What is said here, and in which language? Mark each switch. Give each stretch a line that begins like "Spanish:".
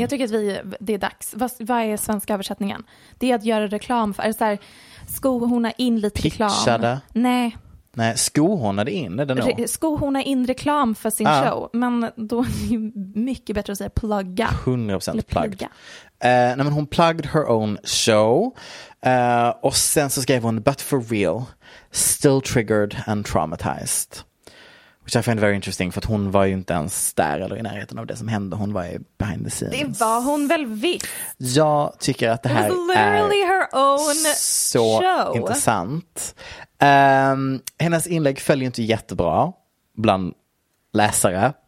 Swedish: Jag tycker att det är dags. Vad är svenska översättningen? Det är att göra reklam. Skohorna in lite reklam. Pitchade. Nej, skohornade in. Är det nog? Skohorna in reklam för sin show. Men då är det mycket bättre att säga plugga.
English: 100% plugged. Hon plugged her own show.
Swedish: Och sen så skrev hon,
English: but for real, still triggered and traumatized. Which I find very interesting,
Swedish: för att hon var ju inte ens där eller i närheten av det som hände. Hon var ju
English: behind the scenes.
Swedish: Det var hon väl visst. Jag tycker att det här
English: literally
Swedish: är
English: her own
Swedish: så
English: show.
Swedish: Intressant. Hennes inlägg följer inte jättebra bland läsare.